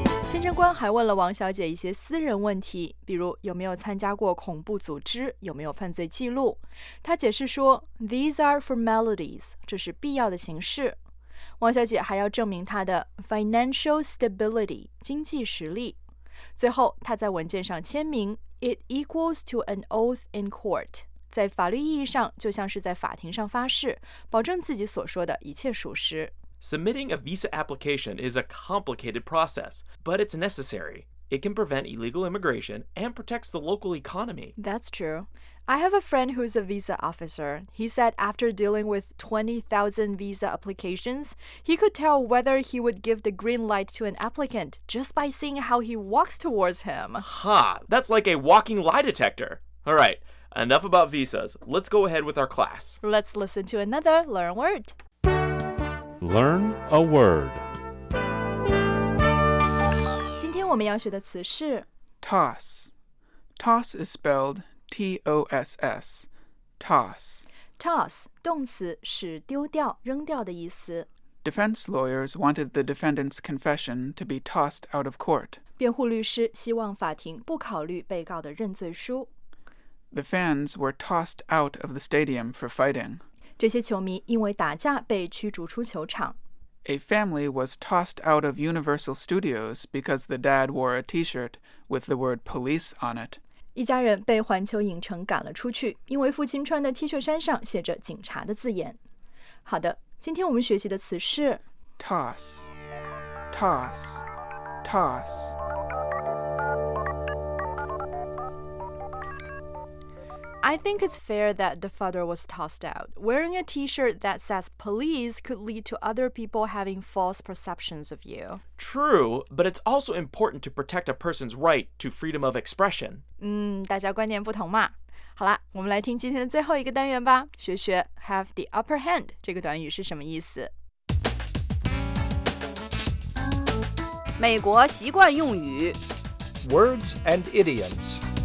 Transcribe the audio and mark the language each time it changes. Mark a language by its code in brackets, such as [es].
[zh] 签证官还问了王小姐一些私人问题，比如有没有参加过恐怖组织，有没有犯罪记录。她解释说 [en] These are formalities, [zh] 这是必要的形式。王小姐还要证明她的 financial stability, 经济实力。最后她在文件上签名 [en] It equals to an oath in court. [zh] 在法律意义上就像是在法庭上发誓，保证自己所说的一切属实。 [en] Submitting a visa application is a complicated process, but it's necessary. It can prevent illegal immigration and protects the local economy. That's true. I have a friend who is a visa officer. He said after dealing with 20,000 visa applications, he could tell whether he would give the green light to an applicant just by seeing how he walks towards him. Ha! That's like a walking lie detector. All right, enough about visas. Let's go ahead with our class. Let's listen to another Learn Word. Learn a word. [zh] 我们要学的词是 [en] toss. Toss is spelled T-O-S-S. Toss. [zh] Toss, 动词是丢掉、扔掉的意思。 [en] Defense lawyers wanted the defendant's confession to be tossed out of court. [zh] 辩护律师希望法庭不考虑被告的认罪书。 [en] The fans were tossed out of the stadium for fighting. [zh] 这些球迷因为打架被驱逐出球场。 [en] A family was tossed out of Universal Studios because the dad wore a T-shirt with the word police on it. [zh] 一家人被环球影城赶了出去，因为父亲穿的 T 恤衫上写着警察的字眼。好的，今天我们学习的词是 [en] toss, toss, toss. I think it's fair that the father was tossed out. Wearing a t-shirt that says police could lead to other people having false perceptions of you. True, but it's also important to protect a person's right to freedom of expression. [zh] 大家观念不同嘛。好啦，我们来听今天的最后一个单元吧，学学 [en] have the upper hand [zh] 这个短语是什么意思。美国习惯用语 [en] Words and idioms.